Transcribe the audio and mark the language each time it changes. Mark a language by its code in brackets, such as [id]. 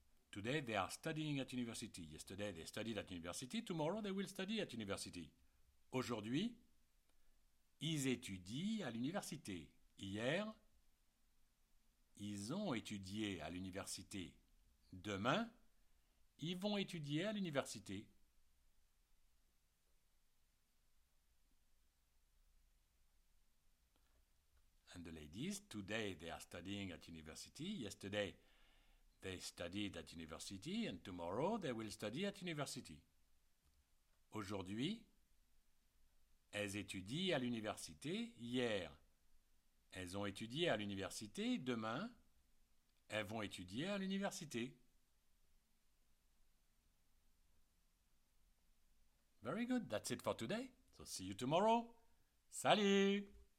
[en] Today they are studying at university. Yesterday they studied at university. Tomorrow they will study at university. [fr] Aujourd'hui, ils étudient à l'université. Hier, ils ont étudié à l'université. Demain, ils vont étudier à l'université. [en] and the ladies. Today they are studying at university. Yesterday they studied at university and tomorrow they will study at university. [fr] Aujourd'hui, elles étudient à l'université. Hier, elles ont étudié à l'université. Demain, elles vont étudier à l'université. [en] Very good. That's it for today. So see you tomorrow. [fr] Salut!